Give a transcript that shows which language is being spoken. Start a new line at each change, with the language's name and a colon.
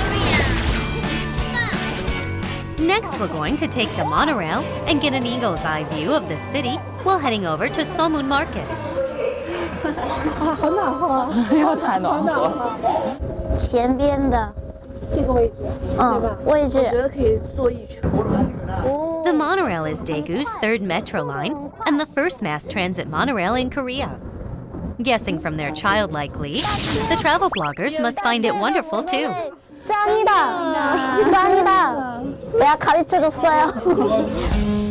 Chinese: 好可爱，这样。好的，一二三，一起。大家，大家，大家。Next,
English: we're going to take the monorail and get an eagle's eye view of the city while heading over to Seomun Market.
Chinese: 很暖和，要太暖和。前边的这个位置，嗯，位置，我觉得可以坐一圈。The
English: monorail is Daegu's third metro line and the first mass transit monorail in Korea. Guessing from their childlike glee, the travel bloggers must find it wonderful too.
Korean: 짱이다，짱이다，내가 가르쳐줬어요.